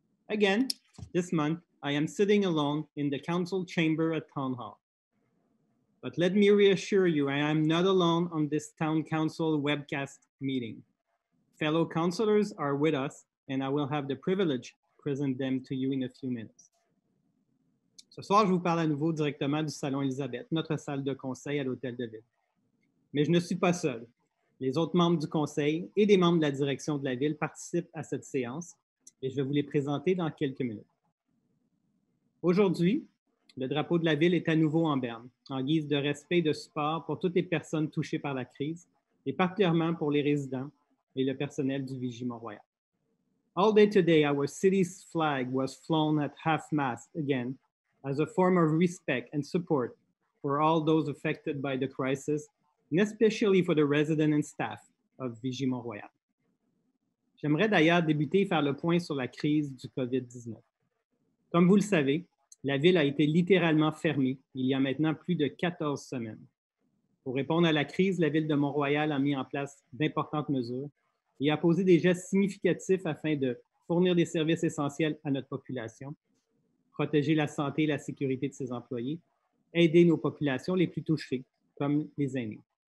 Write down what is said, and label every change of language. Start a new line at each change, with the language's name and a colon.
English: Again, this month, I am sitting alone in the council chamber at Town Hall. But let me reassure you, I am not alone on this Town Council webcast meeting. Fellow councilors are with us and I will have the privilege to present them to you in a few minutes.
French: Ce soir, je vous parle à nouveau directement du Salon Elisabeth, notre salle de conseil à l'Hôtel de Ville. Mais je ne suis pas seul. Les autres membres du conseil et des membres de la direction de la ville participent à cette séance et je vais vous les présenter dans quelques minutes. Aujourd'hui, le drapeau de la ville est à nouveau en berne, en guise de respect et de support pour toutes les personnes touchées par la crise et particulièrement pour les résidents et le personnel du Vigie-Mont-Royal.
English: All day today, our city's flag was flown at half-mast again as a form of respect and support for all those affected by the crisis and especially for the residents and staff of Vigie-Mont-Royal.
French: J'aimerais d'ailleurs débuter et faire le point sur la crise du COVID-19. Comme vous le savez, la ville a été littéralement fermée il y a maintenant plus de 14 semaines. Pour répondre à la crise, la ville de Mont-Royal a mis en place d'importantes mesures et a posé des gestes significatifs afin de fournir des services essentiels à notre population, protéger la santé et la sécurité de ses employés, aider nos populations les plus touchées, comme les aînés.